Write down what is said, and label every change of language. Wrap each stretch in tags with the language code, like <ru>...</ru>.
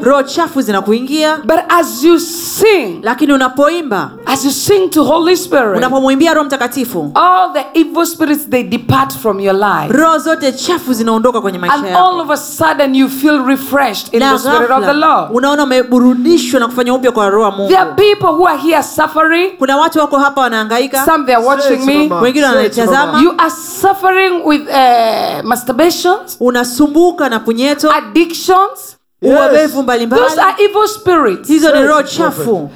<sw>Roho chafu zinakuingia.</sw> <en>But as you sing,</en> <sw>lakini unapoimba,</sw> <en>as you sing to Holy Spirit,</en> <sw>unapomwimbia Roho Mtakatifu,</sw> <en>all the evil spirits, they depart from your life.</en> <sw>Roho zote chafu zinaondoka kwenye maisha yako.</sw> <en>And all of a sudden you feel refreshed in the Spirit of the Lord.</en> <sw>Unaona umeburudishwa na kufanywa upya kwa Roho wa Mungu.</sw> <en>There are people who are here suffering.</en> <sw>Kuna watu wako hapa wanahangaika.</sw> <en>Some they are watching me.</en> <sw>Wengine wana</sw> <en>you are suffering with masturbations,</en> <sw>unasumbuka na punyeto,</sw> <en>addictions,</en> <sw>uovu mbalimbali.</sw> <en>Those are evil spirits.</en> <sw>Hizo ni roho chafu.</sw>